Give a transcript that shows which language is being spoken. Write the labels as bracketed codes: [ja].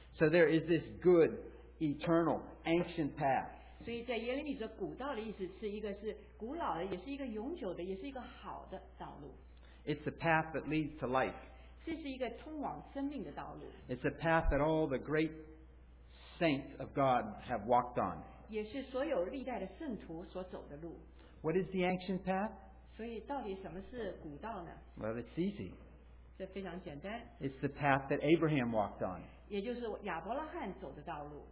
[en] So there is this good, eternal, ancient path. [zh] 所以在耶利米说古道的意思是一个是古老的,也是一个永久的,也是一个好的道路。 [en] It's a path that leads to life. [zh] 这是一个通往生命的道路。 [en] It's a path that all the great saints of God have walked on. [zh] 也是所有历代的圣徒所走的路。 [en] What is the ancient path? [zh] 所以到底什么是古道呢? [en] Well, it's easy. [zh] 这非常简单。 [en] It's the path that Abraham walked on. [zh] 也就是亚伯拉罕走的道路。